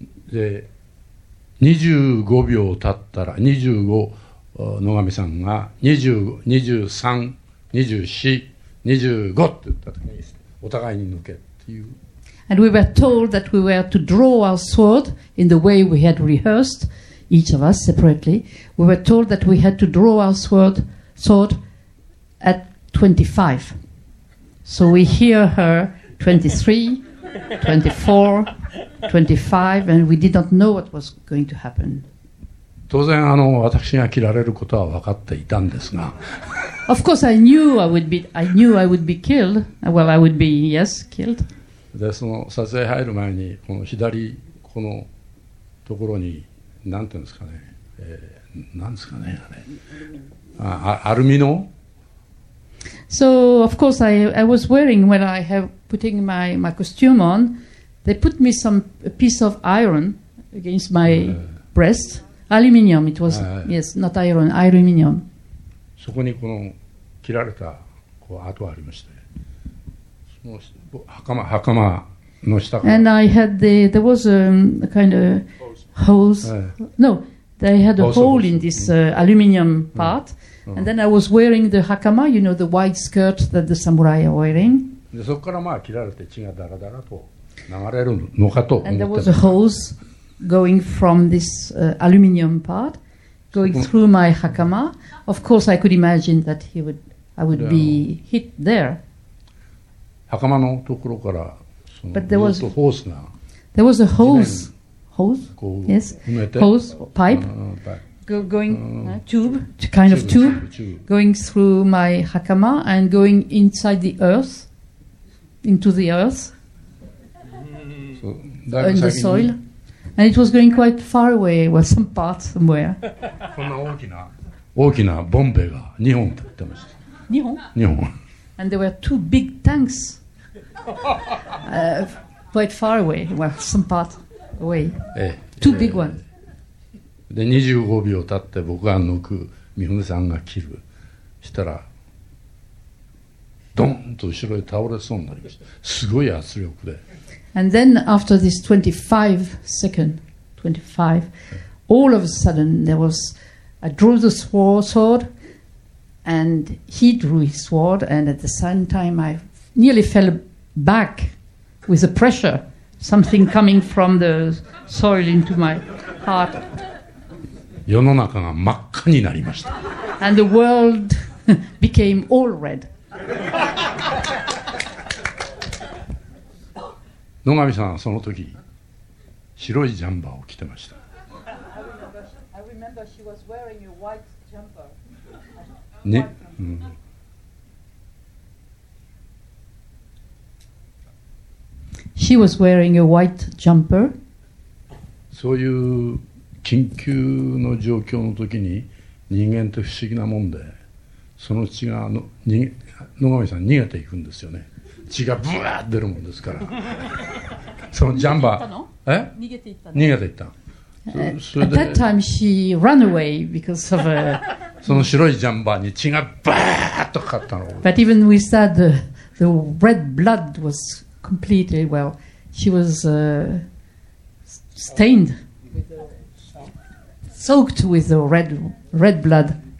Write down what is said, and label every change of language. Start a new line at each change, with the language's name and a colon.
Japanese: で、25秒経ったら、25、野上さんが25、23、24、25って言った時に、お互いに抜けっていう。
English: And we were told that we were to draw our sword in the way we had rehearsed, each of us separately. We were told that we had to draw our sword at 25. So we hear her 23, 24, 25, and we did not know what was going to happen.
Japanese: 当然、あの、私が切られることは分かっていたんですが。
English: Of course, I knew I would be killed. Well, I would be, yes, killed.
Japanese: でその撮影入る前にこの左このところに何ていうんですかね、何ですかね、あれ、あ、アルミの、
English: So of course I was wearing, when I have putting my costume on, they put me some piece of iron against my breast. Aluminium, it was, yes, not iron, aluminium.
Japanese: そこにこの切られたこう跡がありまして、その袴の下から
English: And I had the, there was a kind of hose. No, they had a hole in this aluminium part. And then I was wearing the hakama, you know, the white skirt that the samurai are wearing.
Japanese: で、そこからまあ切られて血がダラダラと流れるのかと思って。
English: And there was a hose going from this aluminium part. going through my hakama, of course I could imagine that he would, I would be hit there.
Japanese: Hakama のところから
English: There was a hose, hose pipe, going tube, kind of tube, going through my hakama and going inside the earth, into the earth, in the soil, and it was going quite far away. It was some part somewhere.
Japanese: こんな大きな大きなボンベが日本って言ってました。日本。日本。
English: And there were two big tanks. quite far away, well, some part away. Two big ones.
Japanese: で、25秒経って僕が抜く、みふねさんが切る。したら、ドンと後ろへ倒れそうになりました。すごい圧力で。
English: And then after this 25 second, 25, all of a sudden there was, I drew the sword, and he drew his sword, and at the same time I nearly fell back. With the pressure, something coming from the soil into my heart.
Japanese: 世の中が真っ赤になりました。
English: And the world became all red.
Japanese: 野上さんはその時、白いジャンパーを着てました。
English: I remember she was wearing a white jumper. ね、うん。 She was wearing a white jumper.
Japanese: そういう緊急の状況の時に人間って不思議なもんで、その血が野上さん逃げていくんですよね。血がブワーッ出るもんですから。そのジャンバー、逃げていった。
English: At that time, she ran away because of a.
Japanese: その白いジャンバーに血がバーッとかかったの。
English: But even with that, the red blood was. Completely well, she was stained, soaked with the red blood.